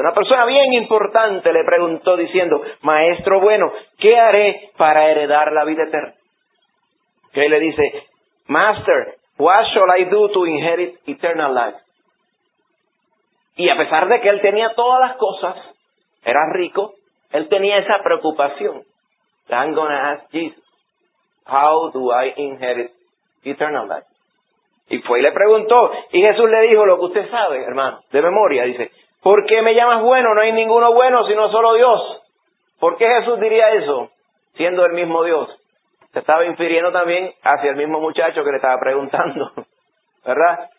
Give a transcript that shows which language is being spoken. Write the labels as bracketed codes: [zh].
[es] Una persona bien importante le preguntó diciendo, maestro bueno, ¿qué haré para heredar la vida eterna? Que él le dice, [en] master, what shall I do to inherit eternal life? [es] Y a pesar de que él tenía todas las cosas, era rico, él tenía esa preocupación. [en] I'm going to ask Jesus, how do I inherit eternal life? [es] Y fue y le preguntó, y Jesús le dijo lo que usted sabe, hermano, de memoria, dice, ¿por qué me llamas bueno? No hay ninguno bueno, sino solo Dios. ¿Por qué Jesús diría eso, siendo el mismo Dios? Se estaba infiriendo también hacia el mismo muchacho que le estaba preguntando, ¿verdad?